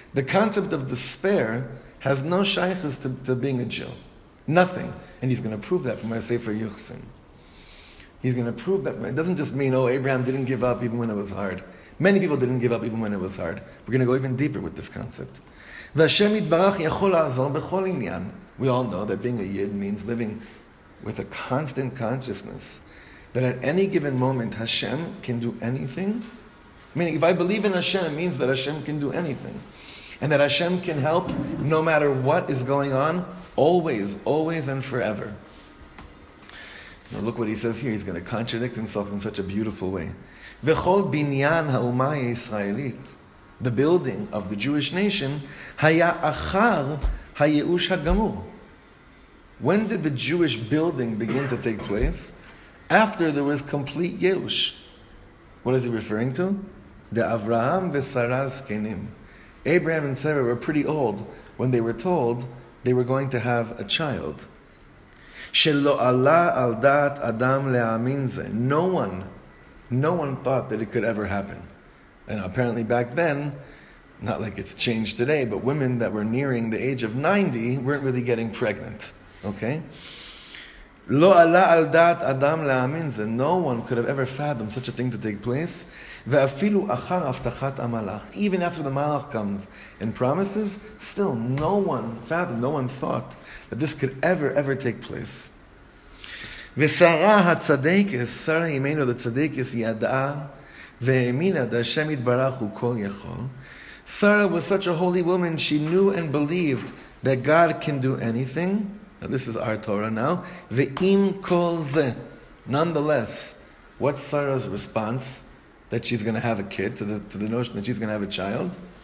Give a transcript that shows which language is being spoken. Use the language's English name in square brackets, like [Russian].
[English] The concept of despair has no shaychus to being a Jew. Nothing. And he's going to prove that from our Sefer Yuchsin. He's going to prove that. It doesn't just mean, Abraham didn't give up even when it was hard. Many people didn't give up even when it was hard. We're going to go even deeper with this concept. [Hebrew] והשם יתברך יכול לעזור בכל עניין. [English] We all know that being a Yid means living with a constant consciousness that at any given moment Hashem can do anything. Meaning, if I believe in Hashem, it means that Hashem can do anything. And that Hashem can help no matter what is going on, always, always and forever. Now look what he says here. He's going to contradict himself in such a beautiful way. [Hebrew] וכל בניין האומה הישראלית. [English] The building of the Jewish nation, haya achar haYeush haGamur. When did the Jewish building begin to take place? After there was complete Yeush. What is he referring to? [Hebrew] דאברהם ושרה זקנים. [English] Abraham and Sarah were pretty old when they were told they were going to have a child. [Hebrew] שלא עלה על דעת אדם להאמין זה. [English] No one thought that it could ever happen. And apparently back then, not like it's changed today, but women that were nearing the age of 90 weren't really getting pregnant. Okay? [Hebrew] לא עלה על דעת אדם להאמין זה. [English] No one could have ever fathomed such a thing to take place. [Hebrew] ואפילו אחר הבטחת המלאך. [English] Even after the מלאך comes and promises, still no one fathomed, no one thought that this could ever, ever take place. [Hebrew] ושרה הצדקת, שרה אמנו לצדקת, ידעה והאמינה דהשם יתברך הוא כל יכול. [English] Sarah was such a holy woman, she knew and believed that God can do anything. Now, this is our Torah now. Ve'im kol ze. Nonetheless, what's Sarah's response that she's going to have a kid, to the notion that she's going to have a child?